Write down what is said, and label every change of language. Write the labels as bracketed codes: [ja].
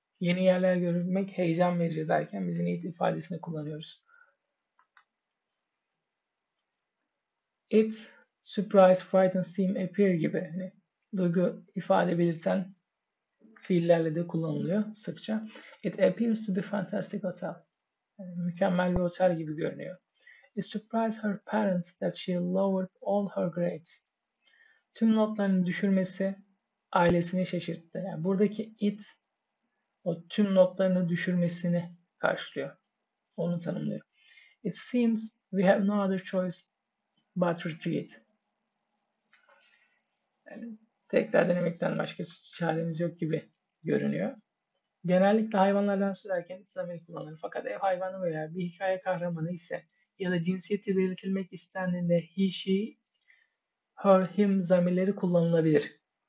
[tr] Yeni yerler görmek heyecan verici derken biz yine it ifadesini kullanıyoruz. It, surprise, frighten, seem, appear gibi hani, duygu ifade belirten fiillerle de kullanılıyor sıkça. [en] It appears to be fantastic hotel. [tr] Yani, mükemmel bir otel gibi görünüyor. [en] It surprised her parents that she lowered all her grades. [tr] Tüm notlarını düşürmesi ailesini şaşırttı. Yani buradaki it o tüm notlarını düşürmesini karşılıyor. Onu tanımlıyor. [en] It seems we have no other choice but retreat. [tr] Yani tekrar denemekten başka çaremiz yok gibi görünüyor. Genellikle hayvanlardan söz ederken it's kullanılır. Fakat ev hayvanı veya bir hikaye kahramanı ise ya da cinsiyeti belirtilmek istendiğinde he, she, her, him zamirleri kullanılabilir.